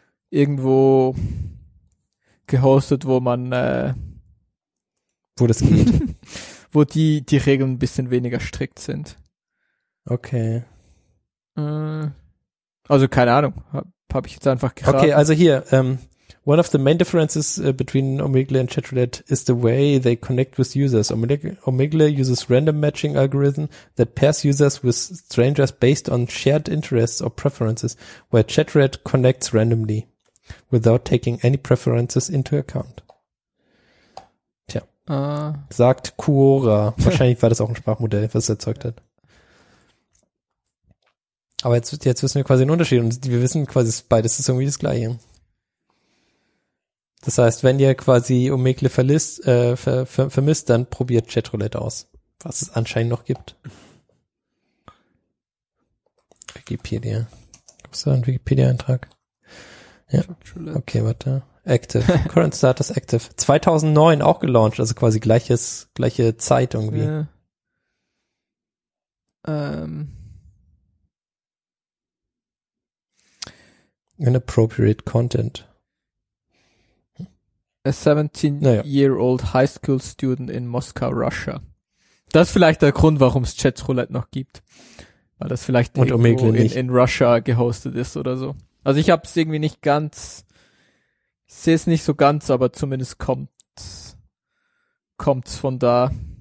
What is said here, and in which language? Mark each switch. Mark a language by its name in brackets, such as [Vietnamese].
[German] Irgendwo gehostet, wo man wo das geht. Wo die Regeln ein bisschen weniger strikt sind. Okay. Also keine Ahnung, hab ich jetzt einfach geraten. Okay, also hier, [English] One of the main differences between Omegle and Chatroulette is the way they connect with users. Omegle uses random matching algorithm that pairs users with strangers based on shared interests or preferences, where Chatroulette connects randomly without taking any preferences into account. [German] Tja. Sagt Quora. Wahrscheinlich war das auch ein Sprachmodell, was erzeugt hat. Aber jetzt wissen wir quasi den Unterschied und wir wissen quasi, beides ist irgendwie das Gleiche. Das heißt, wenn ihr quasi Omegle vermisst, dann probiert Chatroulette aus, was es anscheinend noch gibt. Wikipedia. Gibt es da einen Wikipedia-Eintrag? [English] Ja. Chatroulette. Okay, [German] warte. [English] Active. Current Status Active. [German] 2009 auch gelauncht, also quasi gleiche Zeit irgendwie. Ja. [English] Inappropriate Content. A 17-year-old high school student in Moscow, Russia. [German] Das ist vielleicht der Grund, warum es Chatroulette noch gibt. Weil das vielleicht und irgendwo in Russia gehostet ist oder so. Also ich habe es irgendwie nicht ganz, ich sehe es nicht so ganz, aber zumindest kommt es von da.